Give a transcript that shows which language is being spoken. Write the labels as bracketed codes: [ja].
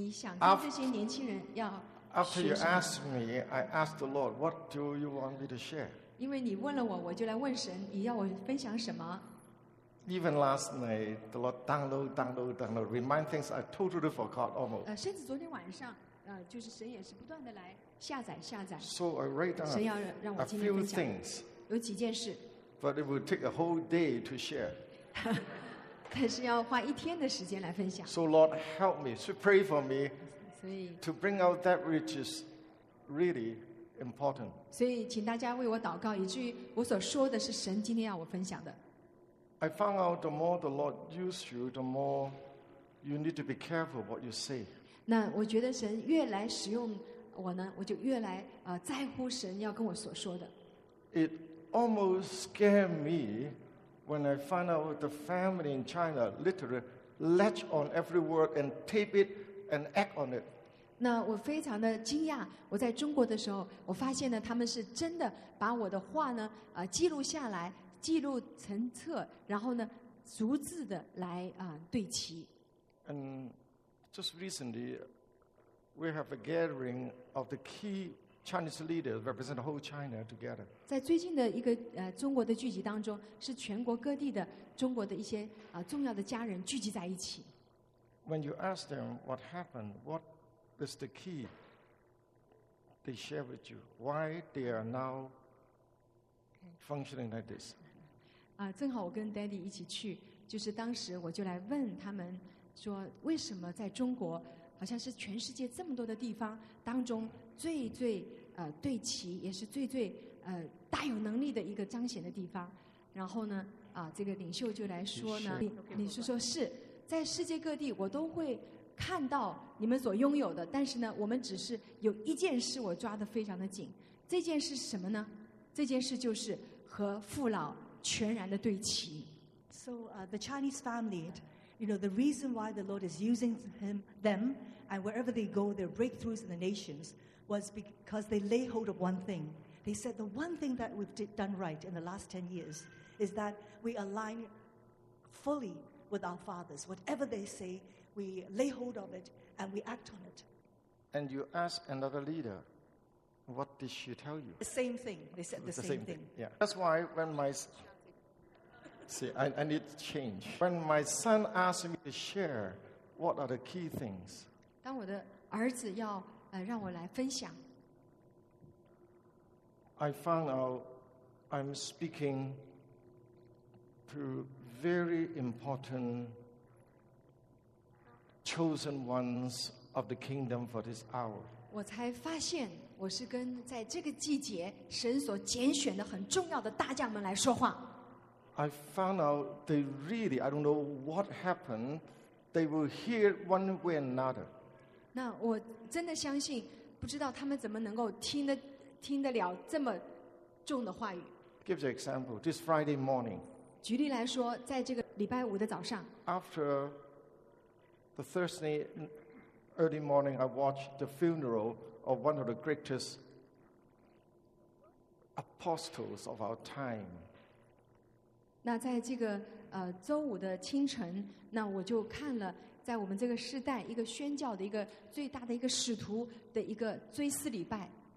[zh] 那首先请问爸爸的就是，你想跟这些年轻人要学什么？ [en] After you ask me, I ask the Lord, what do you want me to share? [zh] 因为你问了我，我就来问神，你要我分享什么？ [en] Even last night, the Lord download, remind things I totally forgot almost. [zh] 甚至昨天晚上。就是神也是不断的来下载。 [en] So I write down a few things. [zh] 有几件事。 [en] But it would take a whole day to share. [zh] 但是要花一天的时间来分享。 [en] So Lord, help me. So pray for me. [zh] 所以 [en] to bring out that which is really important. [zh] 所以请大家为我祷告，以至于我所说的是神今天要我分享的。 [en] I found out the more the Lord uses you, the more you need to be careful what you say. [zh] 那我觉得神越来使用我呢，我就越来在乎神要跟我所说的。 [en] It almost scared me when I found out the family in China literally latch on every word and tape it and act on it. [zh] 那我非常的惊讶，我在中国的时候，我发现呢，他们是真的把我的话呢记录下来。记录成册，然后呢，逐字的来对齐。 [en] And just recently, we have a gathering of the key Chinese leaders represent the whole China together. [zh] 在最近的一个中国的聚集当中，是全国各地的中国的一些重要的家人聚集在一起。 [en] When you ask them what happened, what is the key, they share with you why they are now functioning like this. [zh] 正好我跟 Daddy 一起去，就是当时我就来问他们说，为什么在中国好像是全世界这么多的地方当中最最对齐，也是最最大有能力的一个彰显的地方。然后呢这个领袖就来说呢，领袖说是在世界各地我都会看到你们所拥有的，但是呢我们只是有一件事我抓得非常的紧，这件事什么呢？这件事就是和父老全然的对齐。 [en] So the Chinese family, you know, the reason why the Lord is using them and wherever they go, their breakthroughs in the nations was because they lay hold of one thing. They said the one thing that we've done right in the last 10 years is that we align fully with our fathers. Whatever they say, we lay hold of it and we act on it. And you ask another leader,What did she tell you? The same thing. They said the same thing. Yeah. That's why when my... See, I need to change. When my son asked me to share, what are the key things? [zh] 当我的儿子要让我来分享。 [en] I found out I'm speaking to very important chosen ones of the kingdom for this hour. [zh] 我才发现我是跟在这个季节神所拣选的很重要的大将们来说话。 [en] I found out they really, I don't know what happened, they will hear one way or another. [zh] 那我真的相信不知道他们怎么能够听得了这么重的话语。 [en] Give you an example, this Friday morning. [zh] 举例来说在这个礼拜五的早上。 [en] After the Thursday,Early morning, I watched the funeral of one of the greatest apostles of our time. [zh] 那在这个周五的清晨，那我就看了在我们这个世代一个宣教的一个最大的一个使徒的一个追思礼拜。